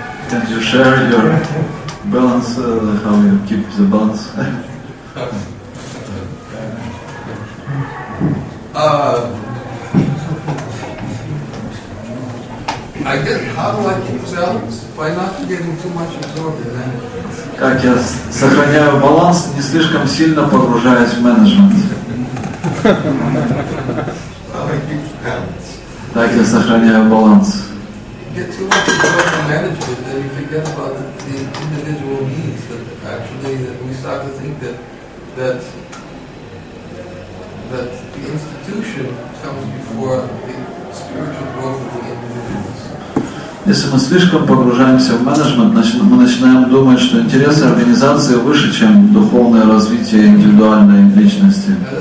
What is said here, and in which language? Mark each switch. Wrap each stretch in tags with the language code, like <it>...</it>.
<en>Can you share your balance, how you keep the balance? I get, how do I keep balance? By not getting too much absorbed in management.</en> <ru>Как я сохраняю баланс, не слишком сильно погружаясь в менеджмент?</ru> <en>How do I keep balance?</en> <ru>Так я сохраняю баланс.</ru> <en>Get too much absorbed in management, then you forget about the individual needs that actually that we start to think that the institution comes before the spiritual growth of the individual.</en> <ru>Если мы слишком погружаемся в менеджмент, мы начинаем думать, что интересы организации выше, чем духовное развитие индивидуальной личности.</ru>